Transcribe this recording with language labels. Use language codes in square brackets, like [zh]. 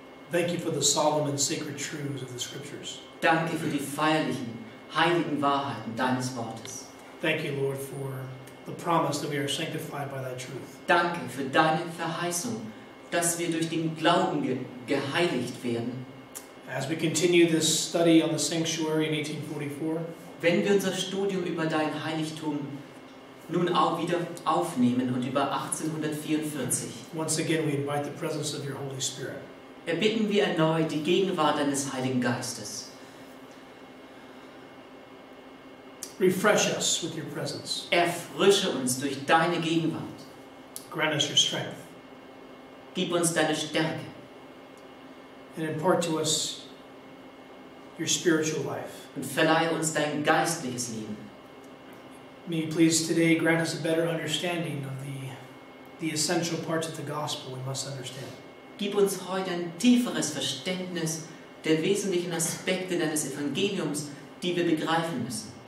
[en] Thank you for the solemn and sacred truths of the scriptures. [de] Danke für die feierlichen, heiligen Wahrheiten deines Wortes. [en] Thank you, Lord, for the promise that we are sanctified by that truth. [de] Danke für deine Verheißung, dass wir durch den Glauben geheiligt werden. [en] As we continue this study on the sanctuary in 1844, [de] wenn wir unser Studium über dein Heiligtum nun auch wieder aufnehmen und über 1844. [en] Once again, we invite the presence of your Holy Spirit. [de] Erbitten wir erneut die Gegenwart deines Heiligen Geistes. [en] Refresh us with your presence. [de] Erfrische uns durch deine Gegenwart. [en] Grant us your strength. [de] Gib uns deine Stärke. [en] And impart to us your spiritual life. [de] Und verleihe uns dein geistliches Leben. [en] May you please today grant us a better understanding of the essential parts of the gospel we must understand. [de] Gib uns heute ein tieferes Verständnis der wesentlichen Aspekte deines Evangeliums, die wir begreifen müssen.